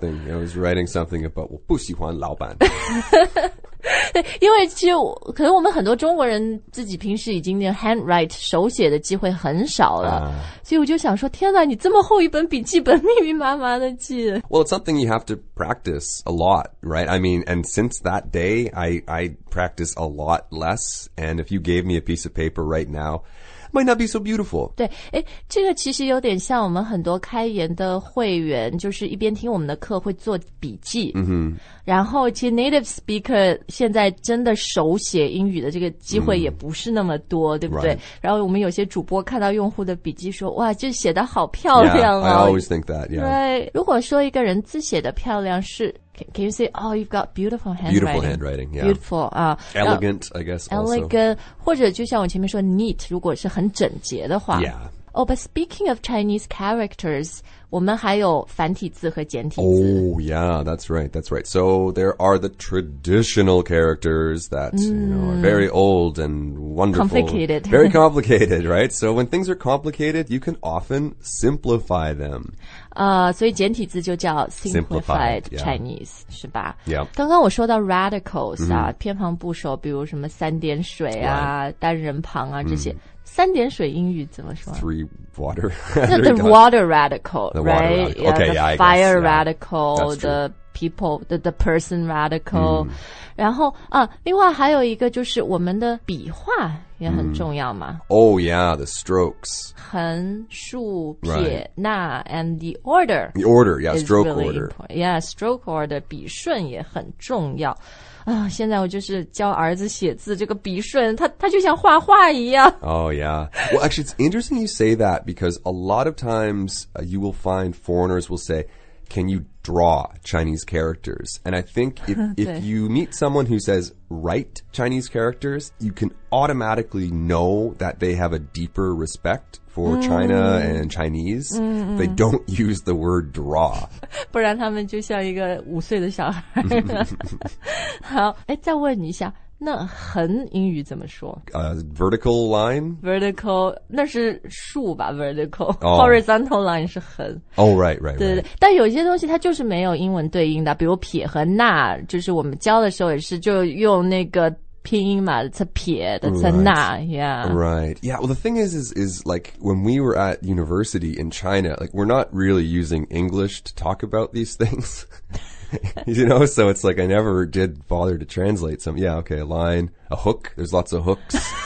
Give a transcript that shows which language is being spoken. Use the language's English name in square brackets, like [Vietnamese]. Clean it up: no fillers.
[English] Everything. I was writing something about [Chinese] 我不喜欢老板。对因为其实可能我们很多中国人自己平时已经 handwrite 手写的机会很少了、所以我就想说天哪你这么厚一本笔记本密密麻麻的记 [English] Well it's something you have to practice a lot right I mean and since that day I practice a lot less and if you gave me a piece of paper right now might not be so beautiful [Chinese] 对这个其实有点像我们很多开言的会员就是一边听我们的课会做笔记、 mm-hmm. 然后其实 native speaker 现在真的手写英语的这个机会也不是那么多、mm-hmm. 对不对、 [English] right. [Chinese] 然后我们有些主播看到用户的笔记说哇这写得好漂亮啊 [English] yeah, I always think that、yeah. [Chinese] 对如果说一个人字写得漂亮是 [English] Can you say, oh, you've got beautiful handwriting? Beautiful handwriting, yeah. Beautiful, Elegant, I guess, [Chinese] Elegant, 或者就像我前面说 neat, 如果是很整洁的话。 [English] Yeah. Oh, but speaking of Chinese characters, [Chinese] 我们还有繁体字和简体字。 [English] Oh, yeah, that's right, that's right. So there are the traditional characters that, you know, are very old and wonderful. Complicated. Very complicated, right? So when things are complicated, you can often simplify them. [Chinese] 所以简体字就叫 simplified Chinese,、 [English] yeah. [Chinese] 是吧、 [English] yeah. [Chinese] 刚刚我说到 radicals,、mm-hmm. 啊、偏旁部首比如什么三点水啊、 [English] right. [Chinese] 单人旁啊这些、mm-hmm. 三点水英语怎么说 [English] Three water. The water radical, the water right? Radical. Okay, yeah, the fire I guess, radical,、 yeah. the people, the person radical.、Mm. [Chinese] 然后、啊、另外还有一个就是我们的笔画也很重要嘛。 [English] Mm. Oh yeah, the strokes. [Chinese] 横竖撇、 [English] right. 捺 and the order. The order, yeah, stroke、 really、 order. Yeah, stroke order, [Chinese] 笔顺也很重要。啊、现在我就是教儿子写字这个笔顺 他就像画画一样。 [English] Oh, yeah. Well, actually, it's interesting you say that because a lot of times、you will find foreigners will say, can you draw Chinese characters? And I think if you meet someone who says, write Chinese characters, you can automatically know that they have a deeper respect for、mm-hmm. China and Chinese.、 Mm-hmm. They don't use the word draw. [Chinese] 不然他们就像一个五岁的小孩。好，哎，再问你一下，那横英语怎么说？ [English] Vertical line. [Chinese] Vertical, 那是竖吧 ？Vertical,、 [English] oh. horizontal line [Chinese] 是横。 [English] Oh, right, right. [Chinese] 对对对， [English] right. [Chinese] 但有些东西它就是没有英文对应的，比如撇和捺，就是我们教的时候也是就用那个拼音嘛，它撇的，它捺 ，yeah. [English] Right, yeah. Well, the thing is like when we were at university in China, like we're not really using English to talk about these things. You know, so it's like I never did bother to translate some. Yeah, okay, a line, a hook. There's lots of hooks.